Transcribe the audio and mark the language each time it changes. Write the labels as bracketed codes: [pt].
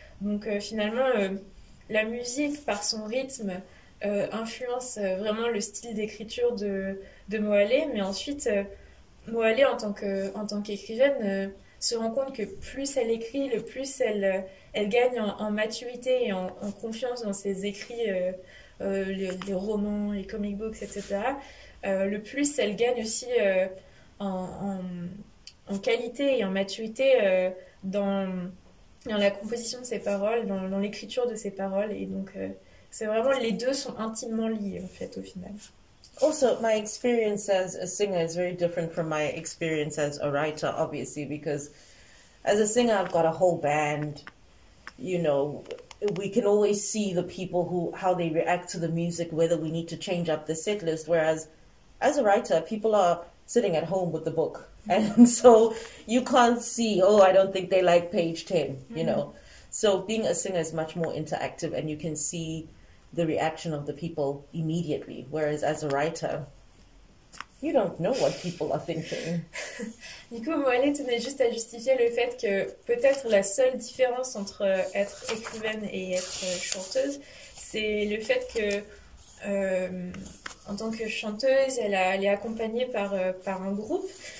[fr] Donc finalement, la musique par son rythme influence vraiment le style d'écriture de Moalé, mais ensuite Moalé en tant qu'écrivaine se rend compte que plus elle écrit, le plus elle gagne en maturité et en confiance dans ses écrits, les romans, les comic books, etc. Le plus elle gagne aussi en qualité et en maturité dans la composition de ses paroles, dans l'écriture de ses paroles, et donc c'est vraiment, les deux sont intimement liés, en fait, au final. [en] Also, my experience as a singer is very different from my experience as a writer, obviously, because as a singer, I've got a whole band, you know, we can always see the people who, how they react to the music, whether we need to change up the set list, whereas as a writer, people are sitting at home with the book, and so you can't see, oh, I don't think they like page 10, you know. So being a singer is much more interactive and you can see the reaction of the people immediately. Whereas as a writer, You don't know what people are thinking. [fr] Du coup, Moelle tenait juste à justifier le fait que peut-être la seule différence entre être écrivaine et être chanteuse, c'est le fait que en tant que chanteuse, elle est accompagnée par un groupe.